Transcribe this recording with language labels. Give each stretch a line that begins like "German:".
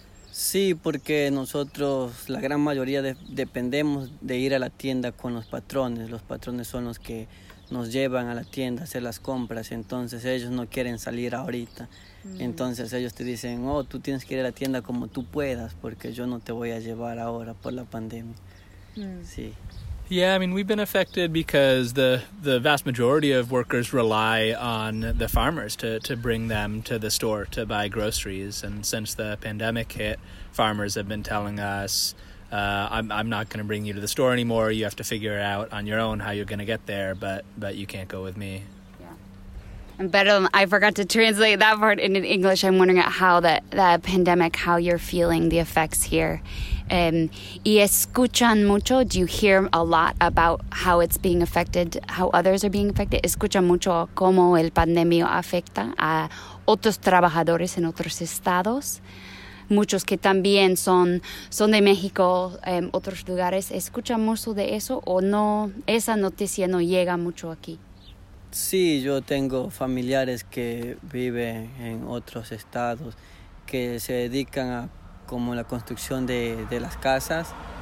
Spanish: Sí, porque nosotros la gran mayoría dependemos de ir a la tienda con los patrones. Los patrones son los que nos llevan a la tienda a hacer las compras. Entonces ellos no quieren salir ahorita. Entonces ellos te dicen, oh, tú tienes que ir a la tienda como tú puedas, porque yo no te voy a llevar ahora por la pandemia. Sí.
English: Yeah, I mean, we've been affected because the vast majority of workers rely on the farmers to bring them to the store to buy groceries. And since the pandemic hit, farmers have been telling us, I'm not going to bring you to the store anymore. You have to figure out on your own how you're going to get there, but you can't go with me. Yeah. And better than, I forgot to translate that part into English. I'm wondering at how that pandemic, how you're feeling the effects here.
Spanish: ¿Y escuchan mucho?
English: Do you hear a lot about how it's being affected, how others are being affected?
Spanish: ¿Escuchan mucho cómo el pandemio afecta a otros trabajadores en otros estados? Muchos que también son de México, otros lugares. ¿Escuchan mucho de eso o no? Esa noticia no llega mucho aquí. Sí, yo tengo familiares que viven en otros estados que se dedican a como la construcción de las casas.